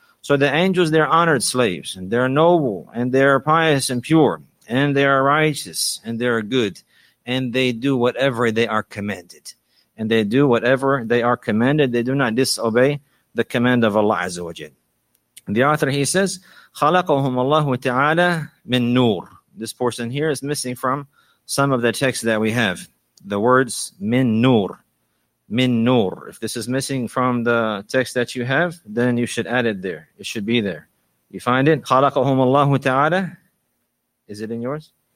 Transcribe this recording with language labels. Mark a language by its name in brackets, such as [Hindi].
[English] So the angels, they're honored slaves, and they're noble, and they're pious and pure, and they're righteous, and they're good, and they do whatever they are commanded. And they do whatever they are commanded. They do not disobey the command of Allah Azza wa Jal. [Arabic] The author, he says, خَلَقَهُمْ اللَّهُ تَعَالَى مِن نُورٍ. [English] This portion here is missing from some of the texts that we have. The words min nur, min nur. If this is missing from the text that you have, then you should add it there. It should be there. You find it? [Arabic] خَلَقَهُمْ اللَّهُ تَعَالَى. [English] Is it in yours?